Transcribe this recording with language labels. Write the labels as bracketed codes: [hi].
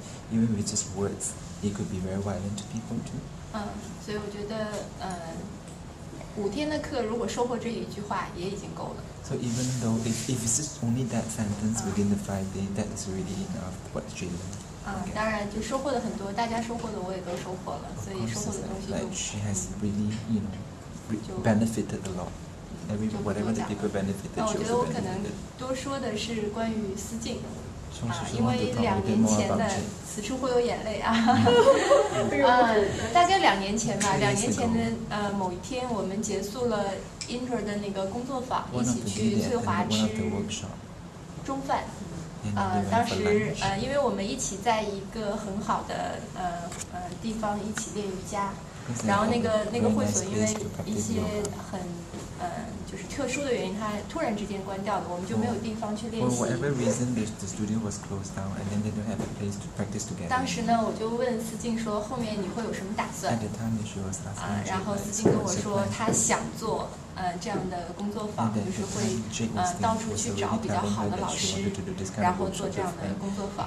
[zh] 因为 [en] just words it could be very violent to people too. [zh] 所以我觉得，五天的课如果收获这一句话也已经够了。 [en] So even though if it's just only that sentence within the 5 days, that is already enough what she learned. [zh] 当然就收获了很多，大家收获的我也都收获了，所以收获的东西就。 [en] Like she has really, you know, benefited a lot. Everyone, whatever the people benefited, she also benefited. [zh] 我觉得我可能多说的是关于思静。因为两年前的此处会有眼泪啊大概两年前吧，两年前的某一天我们结束了 Inter 的那个工作坊，一起去翠华吃中饭当时因为我们一起在一个很好的地方一起练瑜伽，然后那个会所因为一些很就是特殊的原因，它突然之间关掉了，我们就没有地方去练习。 [en] Well, whatever reason, the studio was closed down, and then they don't have a place to practice together. [zh] 当时呢，我就问思静说，后面你会有什么打算 [en] ？At the time, she was asking. [zh] 然后思静跟我说，她想做这样的工作坊，就是会到处去找比较好的老师，然后做这样的工作坊。